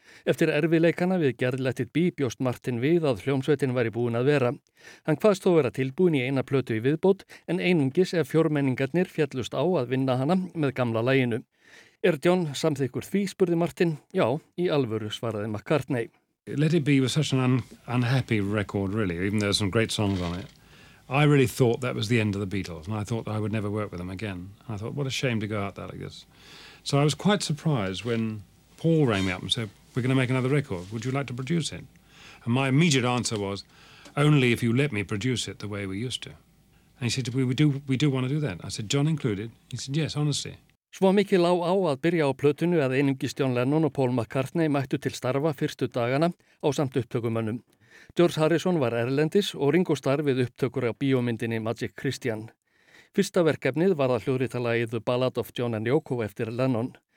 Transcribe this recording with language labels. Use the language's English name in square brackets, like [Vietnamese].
[Icelandic] Eftir erfiðleikana við gerð Let It Be bjóst Martin við að hljómsveitin væri búin að vera. Hann kvaðst þó vera tilbúin í eina plötu í viðbót en einungis ef fjórmenningarnir fjallust á að vinna hana með gamla laginu. John samþykkur því, spurði Martin. Já, í alvöru svaraði McCartney. [English] Let It Be was such an unhappy record, really, even though there were some great songs on it. I really thought that was the end of the Beatles, and I thought that I would never work with them again. And I thought, what a shame to go out there like this. So I was quite surprised when Paul rang me up and said, we're going to make another record, would you like to produce it? And my immediate answer was, only if you let me produce it the way we used to. And he said, we do want to do that. I said, John included? He said, yes, honestly. [Icelandic] Svo mikið lá á að byrja á plötunu að einungis John Lennon og Paul McCartney mættu til starfa fyrstu dagana á samt upptökumönnum. George Harrison var erlendis og Ringo Starr við upptökur á bíómyndinni Magic Christian. Fyrsta verkefnið var að hljóðrita lagið The Ballad of John and Yoko eftir Lennon.